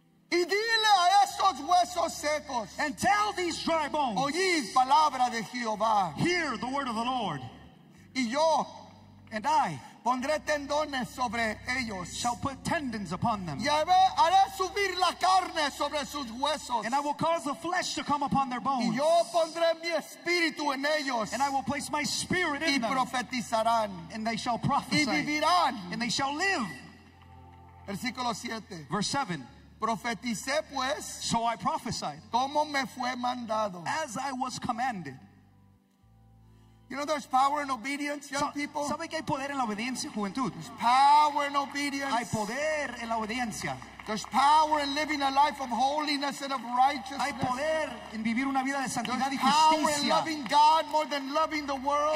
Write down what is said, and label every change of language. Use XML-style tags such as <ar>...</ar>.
<es>y dile a estos huesos secos,</es> <en>and tell these dry bones,</en> <es>oíd palabra de Jehová,</es> <en>hear the word of the Lord,</en> <es>y yo,</es> <en>and I,</en> <es>pondré tendones sobre ellos,</es> <en>shall put tendons upon them,</en> <es>y haré subir la carne sobre sus huesos,</es> <en>and I will cause the flesh to come upon their bones,</en> <es>y yo pondré mi espíritu en ellos,</es> <en>and I will place my spirit in</en> <es>them, y profetizarán,</es> <en>and they shall prophesy,</en> <es>y vivirán,</es> <en>and they shall live.</en> <es>Versículo 7.</es> <en>Verse 7.</en> <es>Profeticé pues,</es> <en>so I prophesied,</en> <es>como me fue mandado,</es> <en>as I was commanded. You know there's power in obedience, young people.</en> <es>¿Sabe que hay poder en la obediencia, juventud?</es> <en>There's power in obedience.</en> <es>Hay poder en la obediencia.</es> <en>There's power in living a life of holiness and of righteousness.</en> <es>Hay poder en vivir una vida de santidad y justicia.</es> <en>There's power in loving God more than loving the world.</en>